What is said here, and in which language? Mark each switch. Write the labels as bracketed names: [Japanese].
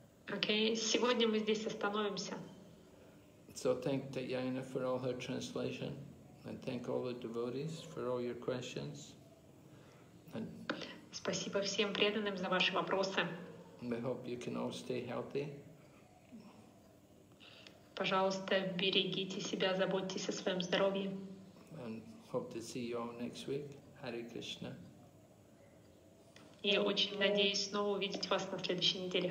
[Russian] Okay, сегодня мы здесь остановимся. [English] So thank Tatyana for all her translation, and thank all the devotees for all your questions. And [Russian] спасибо всем преданным за ваши вопросы. [English] We hope you can all stay healthy. [Russian] Пожалуйста, берегите себя, заботьтесь о своем здоровье. [English] And hope to see you all next week. Hare Krishna. [Russian] И очень надеюсь снова увидеть вас на следующей неделе.